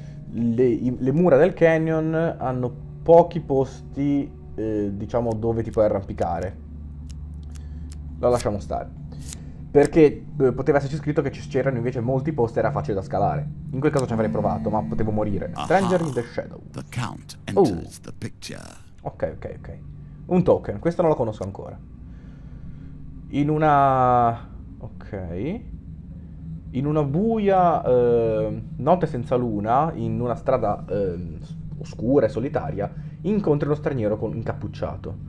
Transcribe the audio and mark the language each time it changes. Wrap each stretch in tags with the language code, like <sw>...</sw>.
<it>Le mura del canyon hanno pochi posti, diciamo, dove ti puoi arrampicare. La lasciamo stare. Perché poteva esserci scritto che c'erano invece molti posti e era facile da scalare. In quel caso ci avrei provato, ma potevo morire.</it> <en>Stranger in the Aha, Shadows. the Count enters the picture.</en> <it>Ok. Un token, questo non lo conosco ancora. In una... Ok. In una buia notte senza luna, in una strada oscura e solitaria, incontri uno straniero incappucciato.</it>